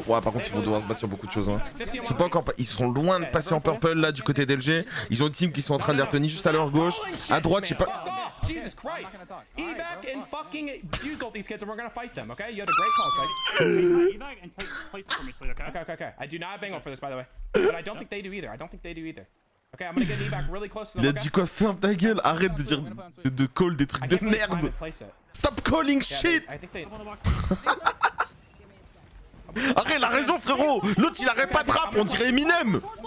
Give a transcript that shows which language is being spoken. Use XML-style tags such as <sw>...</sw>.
<fr>ouais, par contre, ils vont devoir se battre sur beaucoup de choses. Hein. Ils sont pas encore... ils sont loin de passer en purple là du côté d'LG. Ils ont une team qui sont en train de les retenir juste à leur gauche. À droite, je sais pas.</fr> <en>Jesus Christ! Evac and fucking use all these kids and we're gonna fight them, okay? You had a great call, Sage. Evac and take place for me, okay? Okay. I do not have Bangle for this, by the way. But I don't think they do either. I don't think they do either. Okay, I'm gonna get Evac really close to them,</en> <fr>okay? Il a dit quoi? Ferme ta gueule! Arrête de dire de call des trucs de merde!</fr> <en>Stop calling shit!</en> <fr>Arrête, il a raison, frérot! L'autre il arrête pas de rap, on dirait Eminem!</fr>